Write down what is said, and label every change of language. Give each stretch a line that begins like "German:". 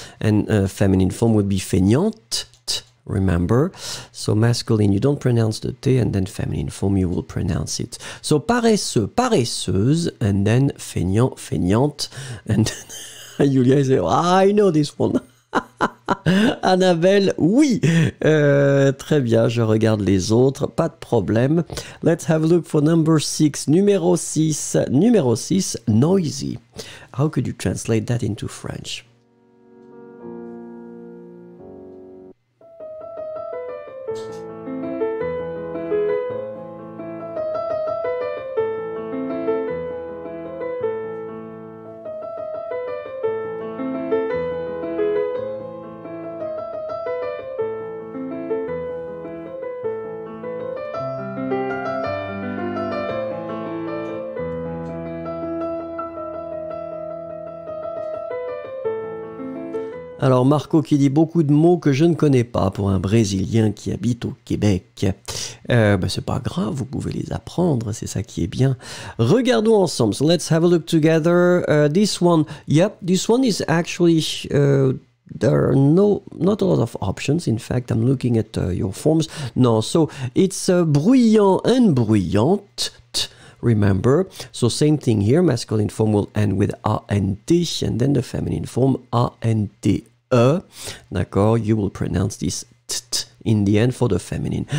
English: And feminine form would be feignante, remember. So, masculine, you don't pronounce the T. And then feminine form, you will pronounce it. So, paresseux, paresseuse. And then feignant, feignante. And then Julia is like, I know this one.
French: Annabelle, oui. Très bien, je regarde les autres, pas de problème.
English: Let's have a look for number 6. Numéro 6, noisy. How could you translate that into French?
French: Alors, Marco qui dit beaucoup de mots que je ne connais pas pour un Brésilien qui habite au Québec. C'est pas grave, vous pouvez les apprendre, c'est ça qui est bien. Regardons ensemble.
English: So, let's have a look together. This one, yep, this one is actually, there are not a lot of options. In fact, I'm looking at your forms. No, so it's bruyant and bruyante. Remember, so same thing here, masculine form will end with A-N-T, and then the feminine form A-N-T-E, d'accord, you will pronounce this T in the end for the feminine.